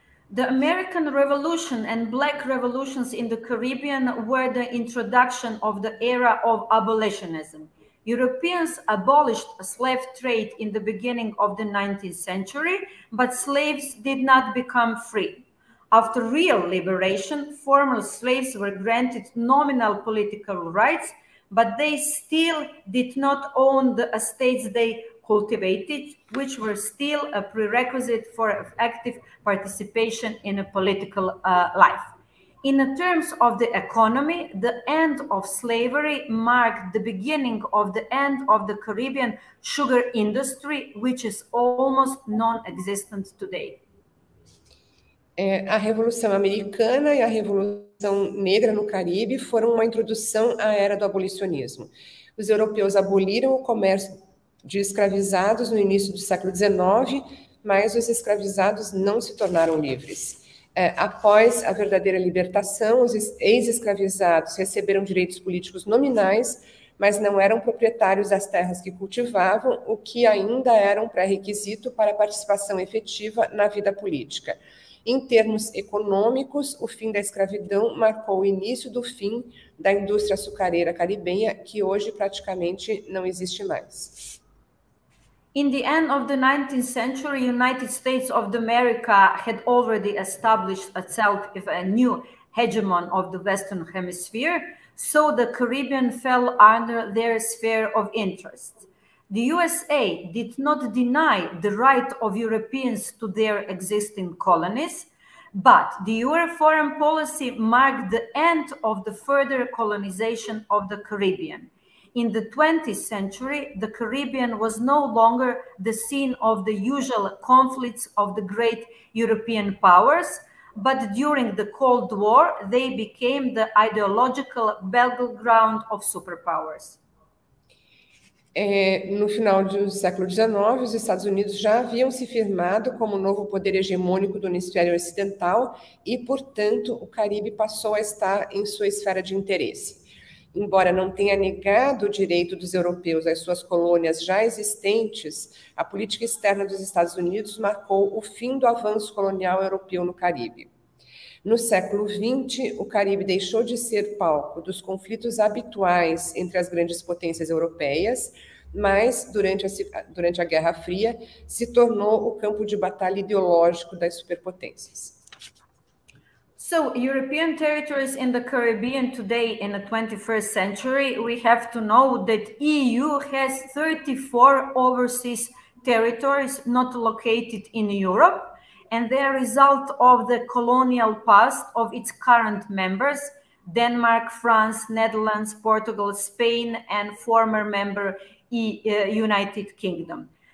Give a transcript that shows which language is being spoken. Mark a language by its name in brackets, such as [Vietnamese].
[English] The American Revolution and Black Revolutions in the Caribbean were the introduction of the era of abolitionism. Europeans abolished slave trade in the beginning of the 19th century, but slaves did not become free. After real liberation, former slaves were granted nominal political rights, but they still did not own the estates they cultivated, which were still a prerequisite for active participation in a political life. In the terms of the economy, the end of slavery marked the beginning of the end of the Caribbean sugar industry, which is almost non-existent today. [Portuguese] A Revolução Americana e a Revolução Negra no Caribe foram uma introdução à era do abolicionismo. Os europeus aboliram o comércio de escravizados no início do século XIX, mas os escravizados não se tornaram livres. Após a verdadeira libertação, os ex-escravizados receberam direitos políticos nominais, mas não eram proprietários das terras que cultivavam, o que ainda era um pré-requisito para a participação efetiva na vida política. Em termos econômicos, o fim da escravidão marcou o início do fim da indústria açucareira caribenha, que hoje praticamente não existe mais. [English] In the end of the 19th century, United States of America had already established itself as a new hegemon of the Western Hemisphere, so the Caribbean fell under their sphere of interest. The USA did not deny the right of Europeans to their existing colonies, but the EUR foreign policy marked the end of the further colonization of the Caribbean. In the 20th century, the Caribbean was no longer the scene of the usual conflicts of the great European powers, but during the Cold War, they became the ideological battleground of superpowers. [Portuguese] No final do século XIX, os Estados Unidos já haviam se firmado como novo poder hegemônico do hemisfério ocidental e, portanto, o Caribe passou a estar em sua esfera de interesse. Embora não tenha negado o direito dos europeus às suas colônias já existentes, a política externa dos Estados Unidos marcou o fim do avanço colonial europeu no Caribe. No século XX, o Caribe deixou de ser palco dos conflitos habituais entre as grandes potências europeias, mas, durante a Guerra Fria, se tornou o campo de batalha ideológico das superpotências. [English] So, European territories in the Caribbean today in the 21st century, we have to know that EU has 34 overseas territories not located in Europe, and they are a result of the colonial past of its current members, Denmark, France, Netherlands, Portugal, Spain, and former member United Kingdom.